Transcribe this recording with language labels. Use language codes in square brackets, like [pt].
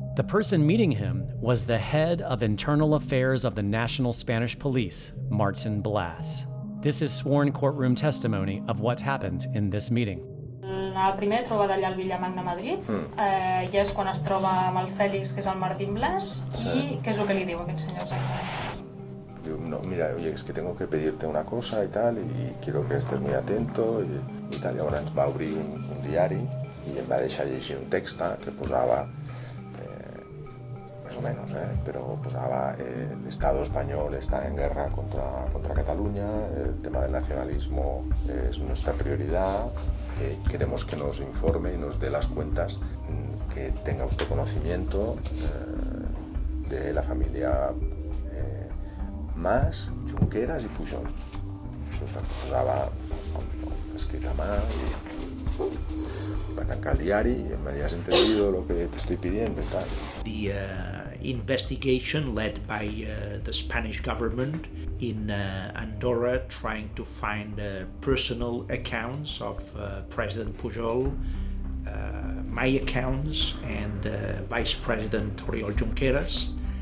[en] The person meeting him was the head of internal affairs of the National Spanish Police, Martin Blas. This is sworn courtroom testimony of what happened in this meeting. [ca] La primera trobada allà al Villamagna Madrid, ja és quan es troba amb el Félix, que és el Martin Blas, sí. I què és el que li diu aquest senyor? [es] No, mira, oye, es que tengo que pedirte una cosa y tal, y quiero que estés muy atento y tal. Y ahora va a abrir un diario y va a dejar allí un texto que posaba, más o menos, pero posaba el Estado español está en guerra contra Cataluña, el tema del nacionalismo es nuestra prioridad, queremos que nos informe y nos dé las cuentas, que tenga usted conocimiento de la familia Mas, Junqueras y Pujol. Eso se acusaba escrita más y va a tancar el diario y me has entendido lo que te estoy pidiendo y tal. [en] The investigation led by the Spanish government in Andorra trying to find personal accounts of President Pujol, my accounts and Vice President Oriol Junqueras.